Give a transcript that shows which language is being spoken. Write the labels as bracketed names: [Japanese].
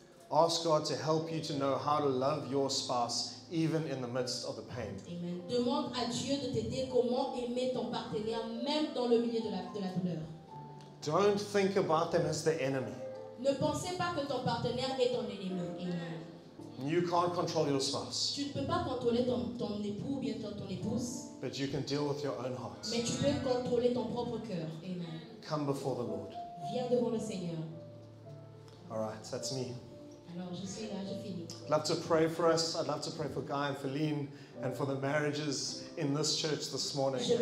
[English] Ask God to help you to know how to love your spouse even in the midst of the pain. Amen. [French] Demande à Dieu de t'aider comment aimer ton partenaire même dans le milieu de la douleur. [English] Don't think about them as the enemy. [French] Ne pensez pas que ton partenaire est ton ennemi. [English] You can't control your spouse. [French] Tu ne peux pas contrôler ton époux ou bien ton épouse. [English] But you can deal with your own heart. [French] Mais tu peux contrôler ton propre cœur. Amen. [English] Come before the Lord. [French] Viens devant le Seigneur. [English] All right, that's me. I'd love to pray for us. I'd love to pray for Guy and Ferline and for the marriages in this church this morning.